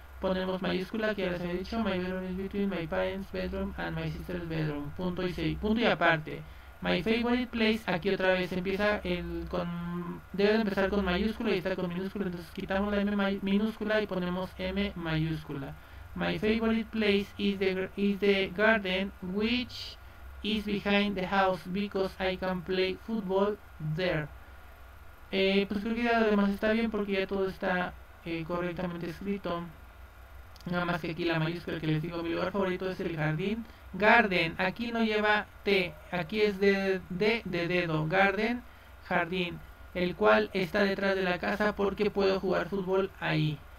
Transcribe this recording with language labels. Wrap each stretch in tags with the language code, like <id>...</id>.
<es>Ponemos mayúscula, que ya les he dicho,</es> <en>my bedroom is between my parents' bedroom and my sister's bedroom.</en> <es>Punto y seis. Punto y aparte.</es> <en>My favorite place,</en> <es>aquí otra vez empieza debe de empezar con mayúscula y está con minúscula. Entonces quitamos la M minúscula y ponemos M mayúscula.</es> <en>My favorite place is the garden which is behind the house because I can play football there.</en> <es>Pues creo que ya además está bien porque ya todo está correctamente escrito. Nada más que aquí la mayúscula que les digo, mi lugar favorito es el jardín. Garden, aquí no lleva T, aquí es de dedo. Garden, jardín, el cual está detrás de la casa porque puedo jugar fútbol ahí.</es>